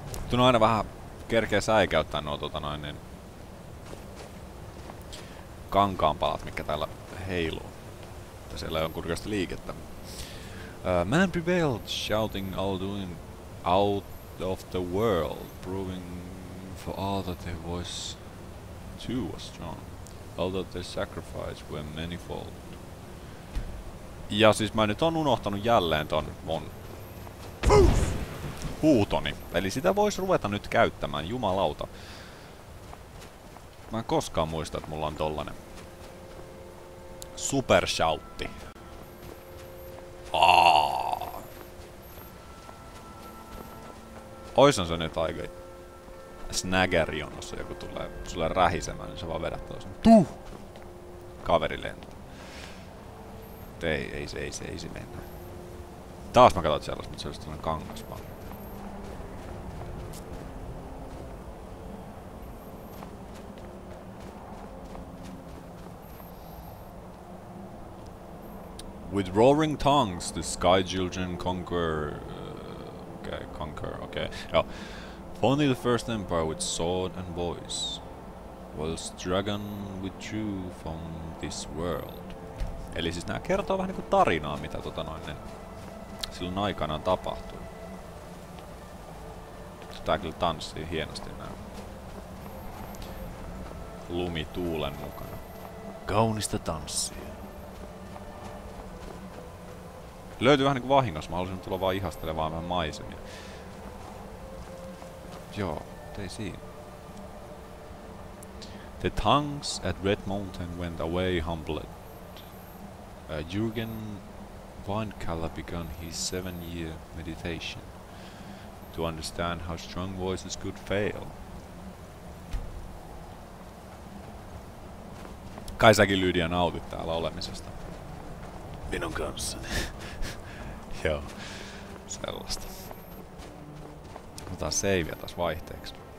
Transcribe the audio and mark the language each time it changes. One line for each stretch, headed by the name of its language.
Finnish: Tuo aina vähän kerkeä säikäyttää nuo tota noin niin kankaanpalat, mikä täällä heiluu. Että siellä on kurkeasti liikettä.
English: Man prevailed, shouting Alduin out of the world, proving for all that their voice too was strong, although their sacrifice were manifold.
Finnish: Ja siis mä nyt on unohtanut jälleen ton mun huutoni. Eli sitä voisi ruveta nyt käyttämään, jumalauta. Mä en koskaan muista, että mulla on tollanen super shoutti. Oishan se nyt aika snaggeri on, jos joku tulee sulle rähisemään, niin sä vaan vedät toisen. Tuh! Kaveri lentää. Ei se mennä. Taas mä katsoin sellaista, mutta se olisi tuollainen kangas vaan.
English: With roaring tongues, the sky children conquer... Okay. Only the first empire with sword and voice. Whilst dragon withdrew from this world.
Finnish: Eli siis nää kertoo vähän niinku tarinaa, mitä tota noin ne silloin aikanaan tapahtui. Tää kyllä tanssii hienosti nää lumituulen mukana. Kaunista tanssia. Löytyy vähän niinku vahingossa, mä halusin tulla vaan ihastelemaan vähän maisemia. Joo, ei siinä.
English: The tongues at Red Mountain went away humbled. Jürgen Weinkeller began his 7-year meditation to understand how strong voices could fail.
Finnish: Kai säkin Lydia nautit täällä olemisesta. Minun kanssani. Joo, sellaista. Otetaan savea taas vaihteeksi.